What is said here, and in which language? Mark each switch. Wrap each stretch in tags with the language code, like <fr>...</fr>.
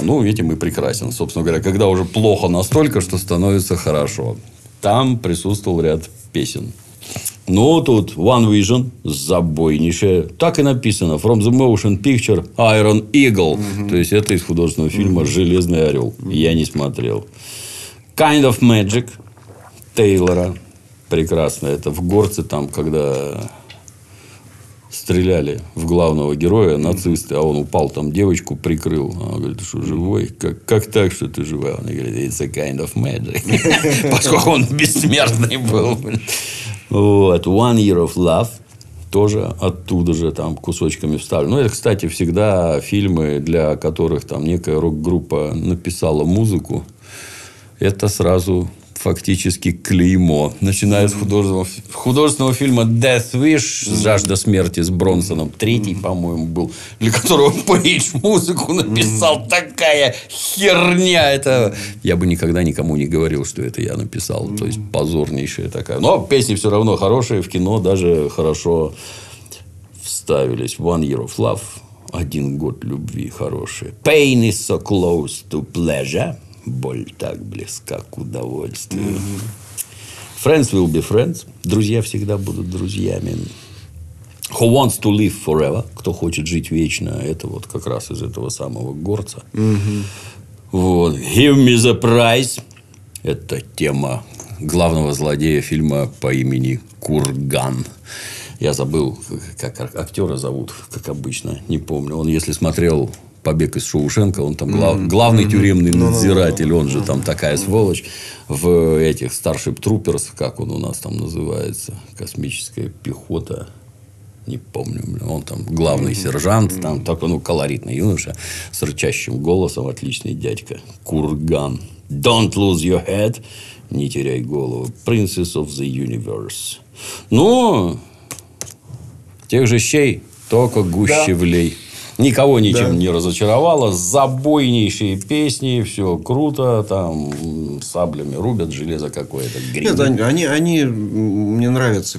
<ru>Ну, этим и прекрасен, собственно говоря. Когда уже плохо настолько, что становится хорошо. Там присутствовал ряд песен. Ну, тут One Vision, забойнейшая. Так и написано.</ru> <en>From the motion picture, Iron Eagle. Mm-hmm.</en> <ru>То есть, это из художественного фильма mm-hmm. «Железный орел». Mm-hmm. Я не смотрел. Kind of Magic, Тейлора. Прекрасно. Это в горце там, когда стреляли в главного героя, нацисты. А он упал, там девочку прикрыл. Она говорит, ты что, живой? Как так, что ты живая? Он говорит,</ru> <en>it's a kind of magic.</en> <ru>Поскольку он бессмертный был. Вот. One Year of Love. Тоже оттуда же там кусочками вставлю. Ну, это, кстати, всегда фильмы, для которых там некая рок-группа написала музыку. Это сразу фактически клеймо. Начиная с художественного фильма Death Wish. Жажда смерти с Бронсоном. Третий, по-моему, был. Для которого Пейдж музыку написал. Такая херня. Это... Я бы никогда никому не говорил, что это я написал. То есть, позорнейшая такая. Но песни все равно хорошие. В кино даже хорошо вставились. One Year of Love. Один год любви хорошие.</ru> <en>Pain is so close to pleasure.</en> <ru>Боль так близка к удовольствию. Mm-hmm.</ru> <en>Friends will be friends.</en> <ru>Друзья всегда будут друзьями.</ru> <en>Who wants to live forever?</en> <ru>Кто хочет жить вечно? Это вот как раз из этого самого горца. Mm-hmm. Вот.</ru> <en>Give me the prize.</en> <ru>Это тема главного злодея фильма по имени Курган. Я забыл, как актера зовут, как обычно. Не помню. Он, если смотрел... «Побег из Шоушенка», он там главный тюремный надзиратель, он же там такая сволочь. В этих «Starship Troopers», как он у нас там называется, «Космическая пехота», не помню, он там главный сержант, там такой, ну, колоритный юноша, с рычащим голосом, отличный дядька, Курган. «Don't lose your head», «Не теряй голову», «Princess of the Universe». Ну, тех же щей, только гуще влей. Никого ничем не разочаровало. Забойнейшие песни. Все круто. Там саблями рубят. Железо какое-то. Нет, они мне нравятся.</ru>